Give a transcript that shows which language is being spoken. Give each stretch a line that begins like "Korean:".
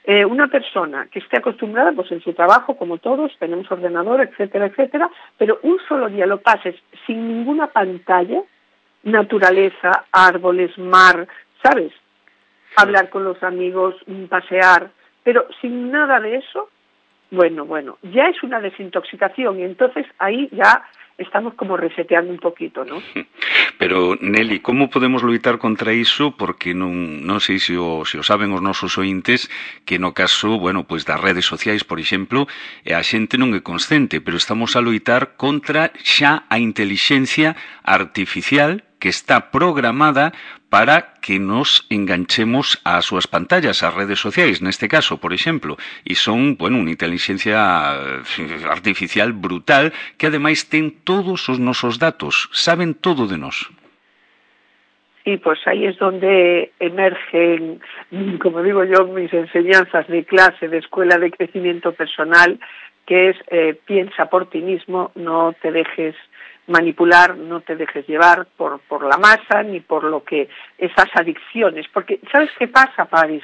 Spanish: una persona que esté acostumbrada, pues en su trabajo, como todos, tenemos ordenador, etcétera, etcétera, pero un solo día lo pases sin ninguna pantalla, naturaleza, árboles, mar, ¿sabes? Hablar con los amigos, pasear, pero sin nada de eso, bueno, ya es una desintoxicación y entonces ahí ya estamos como reseteando un poquito, ¿no?
Galician: Pero, Nelly, ¿cómo podemos loitar contra iso? Porque non sei se o saben os nosos ointes que no caso, bueno, pues das redes sociais, por exemplo, a xente non é consciente, pero estamos a loitar contra xa a intelixencia artificial que está programada para que nos enganchemos ás súas pantallas, ás redes sociais, neste caso, por exemplo, e son, bueno, unha intelixencia artificial brutal que ademais ten todos os nosos datos, saben todo de nós.
Spanish: Sí, pues aí es donde emergen, como digo yo, mis enseñanzas de clase, de escuela de crecimiento personal, que es piensa por ti mismo, no te dejes manipular, no te dejes llevar por la masa ni por lo que esas adicciones, porque ¿sabes qué pasa, Paris?